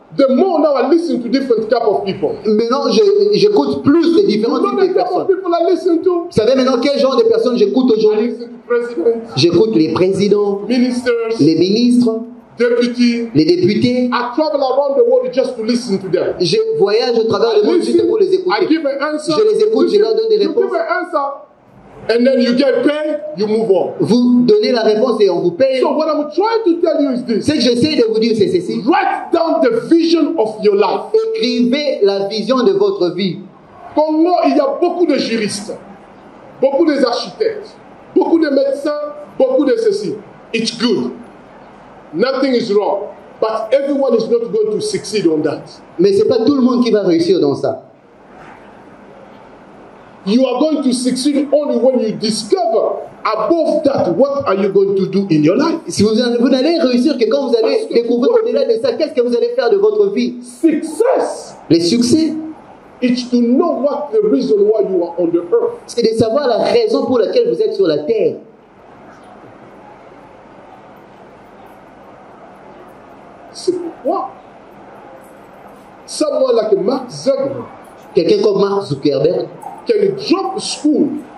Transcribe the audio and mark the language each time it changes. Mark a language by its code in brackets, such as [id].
[en] The more now I listen to different type of people. [fr] Maintenant, j'écoute plus de différents types de personnes. [en] Type of people I listen to. [fr] Vous savez maintenant quel genre de personnes j'écoute aujourd'hui? [en] I listen to presidents. [fr] J'écoute les présidents. [en] Ministers. [fr] Les ministres. [en] Deputies. [fr] Les députés. [en] I travel around the world just to listen to them. [fr] Je voyage au travers du monde juste pour les écouter. [en] I give an answer. [fr] Je les écoute, je leur donne des réponses. [en] You give an answer. And then you get paid, you move on. [fr] Vous donnez la réponse et on vous paye. [en] So what I'm trying to tell you is this. [fr] Ce que j'essaie de vous dire, c'est ceci. [en] Write down the vision of your life. [fr] Écrivez la vision de votre vie. Congo, il y a beaucoup de juristes, beaucoup d'architectes, beaucoup de médecins, beaucoup de ceci. [en] It's good. Nothing is wrong. But everyone is not going to succeed on that. [fr] Mais c'est pas tout le monde qui va réussir dans ça. [en] You are going to succeed only when you discover above that what are you going to do in your life. [fr] Si vous, vous n'allez réussir que quand vous allez découvrir au-delà de ça, qu'est-ce que vous allez faire de votre vie? [en] Success. [fr] Le succès. [en] It's to know what the reason why you are on the earth. [fr] C'est de savoir la raison pour laquelle vous êtes sur la terre. C'est pourquoi [en] someone like Mark Zuckerberg, [fr] quelqu'un comme Mark Zuckerberg, [en] can drop school,